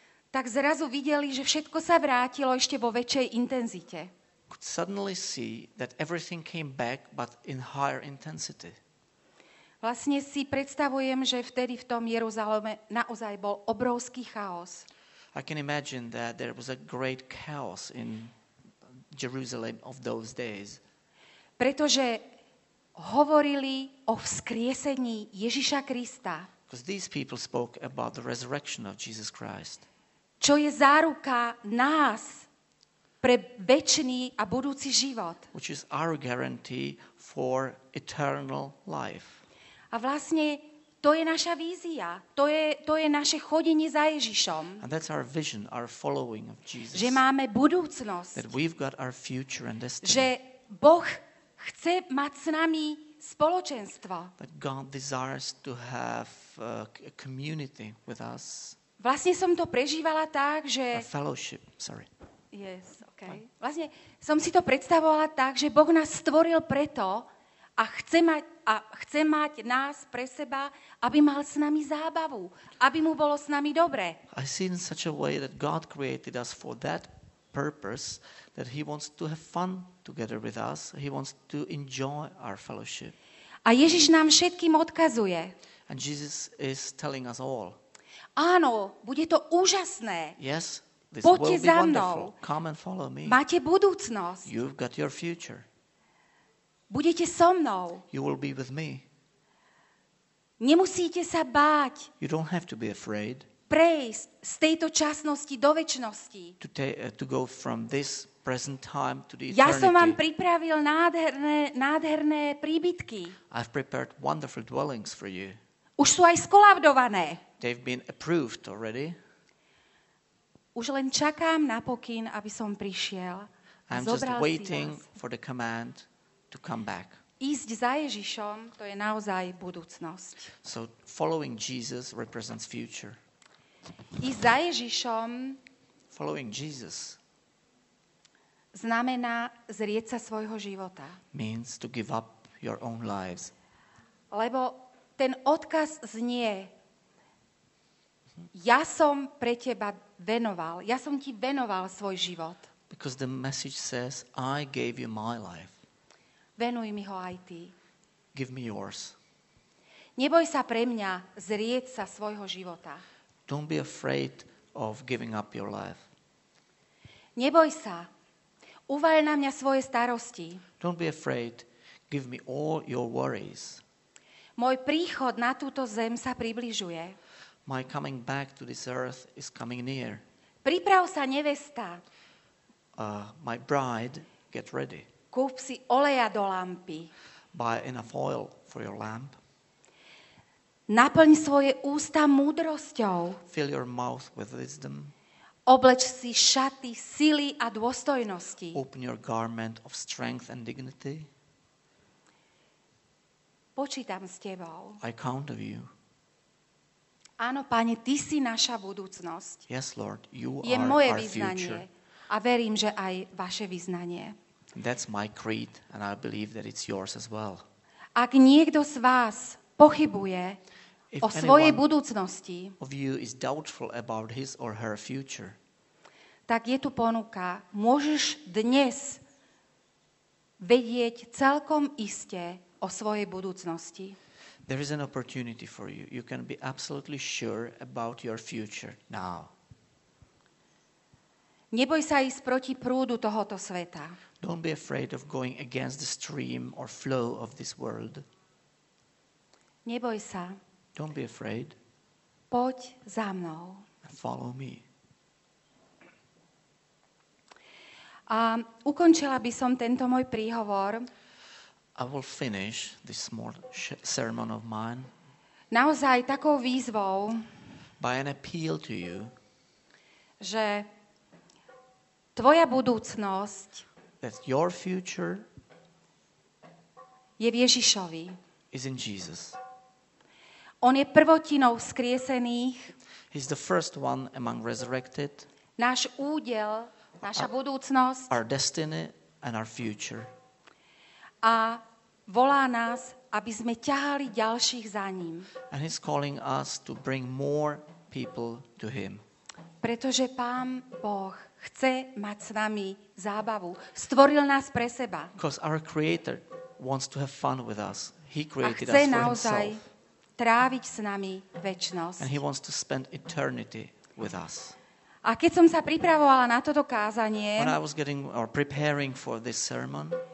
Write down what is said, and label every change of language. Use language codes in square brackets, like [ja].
[sk] tak zrazu videli, že všetko sa vrátilo ešte vo väčšej intenzite. [en] Could suddenly see that everything came back, but in higher intensity. [sk] Vlastne si predstavujem, že vtedy v tom Jeruzaleme naozaj bol obrovský chaos. [en] I can imagine that there was a great chaos in Jerusalem of those days. [sk] Pretože hovorili o vzkriesení Ježiša Krista. [en] Because these people spoke about the resurrection of Jesus Christ. [sk] Čo je záruka nás pre večný a budúci život. [en] Which is our guarantee for eternal life. [sk] A vlastne to je naša vízia. To je naše chodenie za Ježišom. [en] And that's our vision, our following of Jesus. [sk] Že máme budúcnosť. [en] That we've got our future and destiny. [sk] Že Boh chce mať s nami spoločenstvo. [en] That God desires to have a community with us. [sk] Vlastne som to prežívala tak, že [en] a fellowship, sorry. Yes, okay. [sk] Vlastne som si to predstavovala tak, že Boh nás stvoril preto a chce mať nás pre seba, aby mal s nami zábavu, aby mu bolo s nami dobre. [en] I see in such a way that God created us for that purpose, that he wants to have fun together with us, he wants to enjoy our fellowship. [sk] A Ježiš nám všetkým odkazuje. [en] And Jesus is telling us all. [sk] Áno, bude to úžasné. [en] Yes, this [sk] poďte [en] will be [sk] za [en] wonderful. Come and follow me. [sk] Máte budúcnosť. [en] You've got your future. [sk] Budete so mnou. [en] You will be with me. [sk] Nemusíte sa báť. [en] You don't have to be afraid. [sk] Prejsť z tejto časnosti do večnosti. [en] To go from this present time to the eternity. [sk] Ja som vám pripravil nádherné príbytky. [en] I've prepared wonderful dwellings for you. [sk] Už sú aj skolaudované. [en] They've been approved already. [sk] Už len čakám na pokyn, aby som prišiel. [en] I'm just waiting for the command to come back. [sk] Ísť za Ježišom, to je naozaj budúcnosť. [en] So following Jesus represents future. [sk] Ísť za Ježišom [en] following Jesus [sk] znamená zrieť sa svojho života. [en] Means to give up your own lives. [sk] Lebo ten odkaz znie: ja som pre teba venoval. Ja som ti venoval svoj život. [en] Because the message says I gave you my life. [sk] Venuj mi ho aj ty. [en] Give me yours. [sk] Neboj sa pre mňa zrieť sa svojho života. [en] Don't be afraid of giving up your life. [sk] Neboj sa. Uvaľ na mňa svoje starosti. [en] Don't be afraid. Give me all your worries. [sk] Môj príchod na túto zem sa približuje. [en] My coming back to this earth is coming near. [sk] Priprav sa, nevesta. [en] My bride, get ready. [sk] Kúp si oleja do lampy. [en] Buy enough oil for your lamp. [sk] Naplň svoje ústa múdrosťou. [en] Fill your mouth with wisdom. [sk] Obleč si šaty sily a dôstojnosti. [en] Open your garment of strength and dignity. [sk] Počítam s tebou. [en] I count of you. [sk] Áno, Pane, ty si naša budúcnosť. [en] Yes, Lord, you [sk] je [en] are [sk] moje [en] our [sk] vyznanie [en] future. [sk] A verím, že aj vaše vyznanie. [en] That's my creed and I believe that it's yours as well. [sk] Ak niekto z vás pochybuje [en] if [sk] o svojej budúcnosti, [en] of you is doubtful about his or her future, [sk] tak je tu ponuka. Môžeš dnes vedieť celkom iste o svojej budúcnosti. [en] There is an opportunity for you. You can be absolutely sure about your future now. [sk] Neboj sa ísť proti prúdu tohoto sveta. [en] Don't be afraid of going against the stream or flow of this world. [sk] Neboj sa. [en] Don't be afraid. [sk] Poď za mnou. [en] Follow me. [sk] A ukončila by som tento môj príhovor. [en] I will finish this small sermon of mine. [sk] Naozaj takou výzvou. [en] by an appeal to you. [sk] Že tvoja budúcnosť, [en] that your future, [sk] je v Ježišovi. [en] Is in Jesus. [sk] On je prvotinou vzkriesených. [en] He's the first one among resurrected. [sk] Náš údel, naša budúcnosť. [en] Our destiny and our future. [sk] A volá nás, aby sme ťahali ďalších za ním. [en] And he's calling us to bring more people to him. [sk] Pretože Pán Boh chce mať s nami zábavu. Stvoril nás pre seba. [en] Because our creator wants to have fun with us. He created us for [sk] chce naozaj tráviť s nami večnosť. [en] And he wants to spend eternity with us. [sk] A keď som sa pripravovala na toto kázanie, [en] when I was getting or preparing for this sermon,